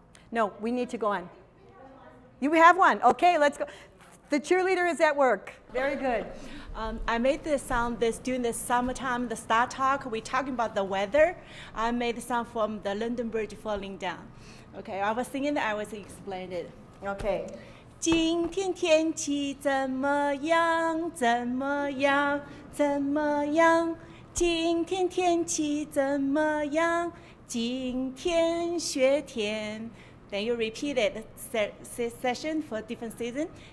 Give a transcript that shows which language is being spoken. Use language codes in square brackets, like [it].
[en] No, we need to go on. You have one. Okay, let's go. The cheerleader is at work. Very good. I made this song during the summertime, the STARTALK. We're talking about the weather. I made the song from the London Bridge falling down. Okay, I was singing, I was explaining it. Okay. [zh] 今天天气怎么样?怎么样?怎么样?今天天气怎么样?今天雪天? [en] Then you repeat it, session for different season.